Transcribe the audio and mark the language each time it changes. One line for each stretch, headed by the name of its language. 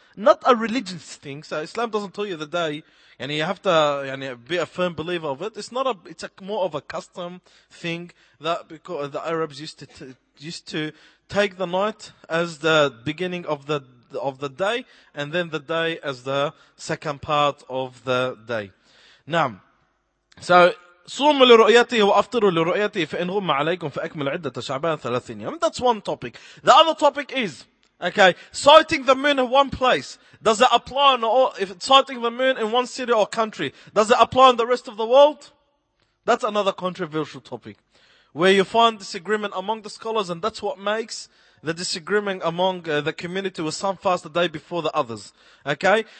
English: Not a religious thing. So Islam doesn't tell you the day, and you have to be a firm believer of it. It's more of a custom thing that because the Arabs used to take the night as the beginning of the day, and then the day as the second part of the day.
Arabic: Now, so صوموا لرؤيته وافطروا لرؤيته فإن غم عليكم فأكمل عدة شعبان 30 يوم.
English: That's one topic. The other topic is, okay, sighting the moon in one place, does it apply on all, if it's sighting the moon in one city or country, does it apply on the rest of the world? That's another controversial topic, where you find disagreement among the scholars, and that's what makes the disagreement among the community, with some fast the day before the others. Okay?